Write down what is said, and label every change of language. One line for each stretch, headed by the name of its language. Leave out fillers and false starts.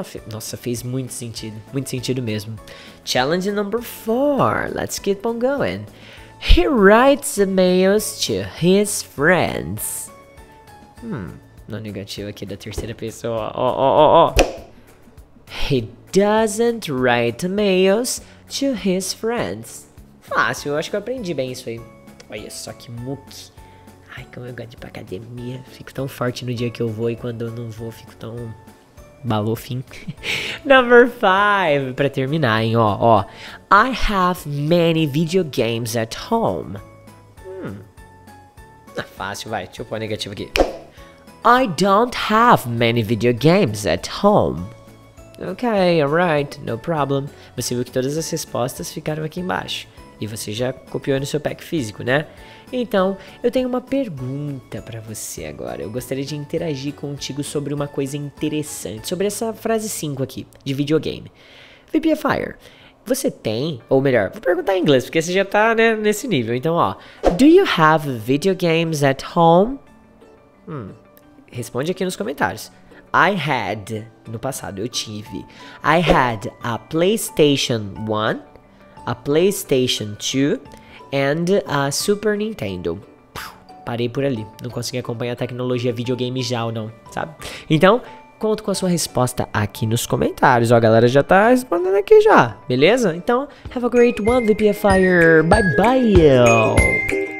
Portuguese: Nossa, fez muito sentido mesmo.
English: Challenge number 4, let's keep on going. He writes emails to his friends.
Portuguese: Na negativa aqui da terceira pessoa, ó.
English: He doesn't write emails to his friends.
Portuguese: Fácil, eu acho que eu aprendi bem isso aí. Olha só que muque. Ai, como eu gosto de ir pra academia. Fico tão forte no dia que eu vou e quando eu não vou, fico tão balofim. Number 5, pra terminar, hein, ó.
English: I have many video games at home.
Portuguese: Não é fácil, vai. Deixa eu pôr a negativa aqui.
English: I don't have many video games at home. Ok, alright, no problem.
Portuguese: Você viu que todas as respostas ficaram aqui embaixo. E você já copiou no seu pack físico, né? Então, eu tenho uma pergunta pra você agora. Eu gostaria de interagir contigo sobre uma coisa interessante. Sobre essa frase 5 aqui, de videogame. VPFire, você tem, ou melhor, vou perguntar em inglês, porque você já tá, né, nesse nível. Então, ó.
English: Do you have video games at home?
Portuguese: Responde aqui nos comentários.
English: I had,
Portuguese: no passado eu tive,
English: I had a PlayStation 1, a PlayStation 2 and a Super Nintendo.
Portuguese: Parei por ali, não consegui acompanhar a tecnologia videogame já ou não, sabe? Então, conto com a sua resposta aqui nos comentários, ó, a galera já tá respondendo aqui já, beleza? Então,
English: have a great one,
Portuguese: VPFire, bye bye!